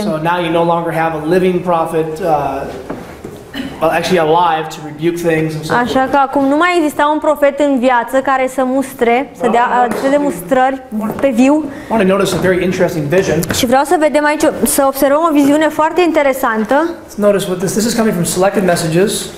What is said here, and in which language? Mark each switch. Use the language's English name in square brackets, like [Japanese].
[English] So now you no longer have a living prophet, actually alive to rebuke things and so forth. [Romanian] Așa că acum nu mai exista un profet în viață care să mustre, să dea de mustrări pe viu. [English] Want to notice a very interesting vision. [Romanian] Și vreau să vedem aici, să observăm o viziune foarte interesantă. [English] Notice what this is coming from Selected Messages.